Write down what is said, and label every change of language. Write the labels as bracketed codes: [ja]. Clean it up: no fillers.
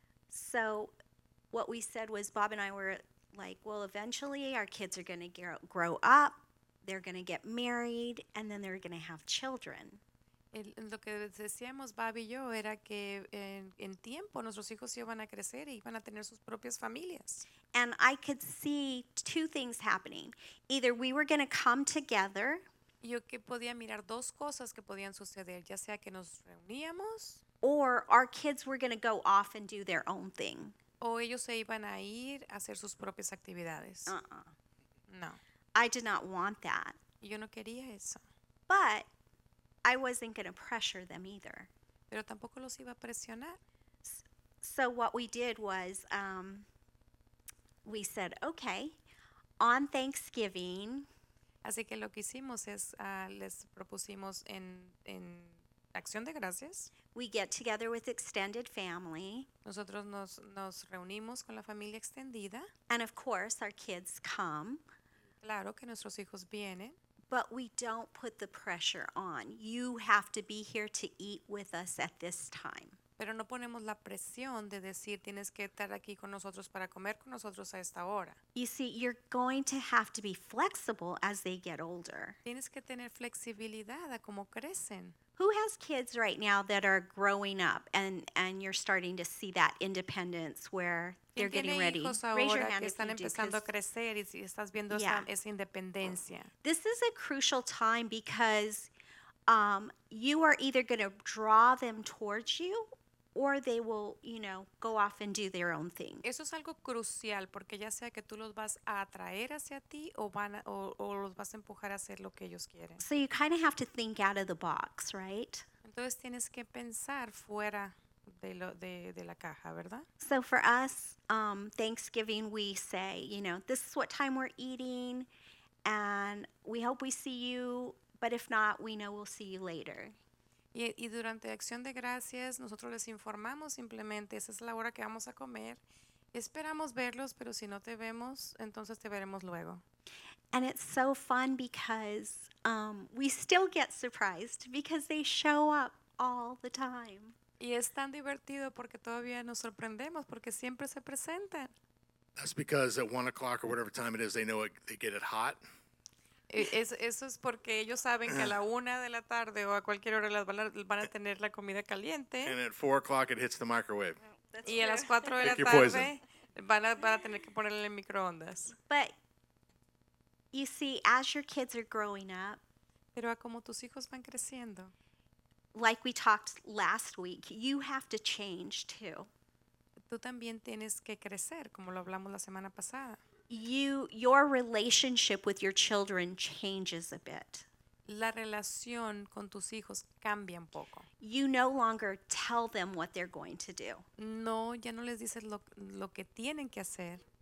[en] So what we said was Bob and I were like, well, eventually our kids are going to grow up, they're going to get married, and then they're going to have children. [es] Lo que decíamos Bob y yo era que en tiempo nuestros hijos iban a crecer y iban a tener sus propias familias. [en] And I could see two things happening. Either we were going to come together. [es] Yo que podía mirar dos cosas que podían suceder, ya sea que nos reuníamos. [en] Or our kids were going to go off and do their own thing. [es] O ellos se iban a ir a hacer sus propias actividades. [en] No. I did not want that. [es] Yo no quería eso. [en] But I wasn't going to pressure them either. [es] Pero tampoco los iba a presionar. [en] So what we did was we said, okay, on Thanksgiving. [es] Así que lo que hicimos es les propusimos en Acción de Gracias. [en] We get together with extended family. [es] Nosotros nos reunimos con la familia extendida. [en] And of course our kids come. [es] Claro que nuestros hijos vienen. [en] But we don't put the pressure on. You have to be here to eat with us at this time. [es] Pero no ponemos la presión de decir tienes que estar aquí con nosotros para comer con nosotros a esta hora. [en] You see, you're going to have to be flexible as they get older. [es] Tienes que tener flexibilidad a como crecen. [en] Who has kids right now that are growing up and you're starting to see that independence where they're getting ready? Raise your hand if you do. [es] Que están empezando a crecer y estás viendo esa independencia. [en] This is a crucial time because you are either going to draw them towards you or they will, you know, go off and do their own thing. [es] Eso es algo crucial porque ya sea que tú los vas a atraer hacia ti o los vas a empujar a hacer lo que ellos quieren. [en] So you kind of have to think out of the box, right? [es] Entonces tienes que pensar fuera de la caja, ¿verdad? [en] So for us, Thanksgiving, we say, you know, this is what time we're eating and we hope we see you, but if not, we know we'll see you later. [es] Y durante Acción de Gracias, nosotros les informamos simplemente, esa es la hora que vamos a comer. Esperamos verlos, pero si no te vemos, entonces te veremos luego. [en] And it's so fun because we still get surprised because they show up all the time. [es] Y es tan divertido porque todavía nos sorprendemos porque siempre se presentan. [en] That's because at 1 o'clock or whatever time it is, they know it, they get it hot. [es] Eso es porque ellos saben que a la una de la tarde o a cualquier hora las van a tener la comida caliente. [en] And at 4 o'clock it hits the microwave. [es] Y a las cuatro de la tarde van a tener que ponerle en microondas. [en] But you see, as your kids are growing up, [es] pero a como tus hijos van creciendo, [en] like we talked last week, you have to change too. [es] Tú también tienes que crecer, como lo hablamos la semana pasada. [en] Your relationship with your children changes a bit. [es] La relación con tus hijos cambia un poco. [en] You no longer tell them what they're going to do. [es] No, ya no les dices lo que tienen que hacer.